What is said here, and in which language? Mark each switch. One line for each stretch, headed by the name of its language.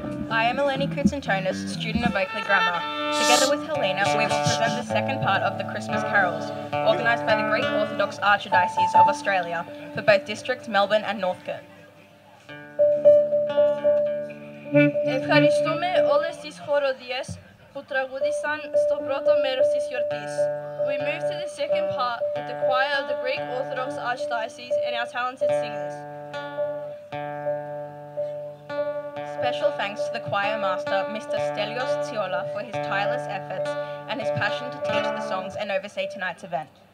English: I am Eleni Koutsantonis, student of Oakley Grammar. Together with Helena, we will present the second part of the Christmas Carols, organised by the Greek Orthodox Archdiocese of Australia for both districts Melbourne and Northcote.
Greek: Ευχαριστούμε όλες τις χοροδίες που τραγούδησαν στο πρώτο μέρος της γιορτής.
English: We move to the second part, the choir of the Greek Orthodox Archdiocese and our talented singers. Special thanks to the choir master, Mr. Stelios Tsiola, for his tireless efforts and his passion to teach the songs and oversee tonight's event.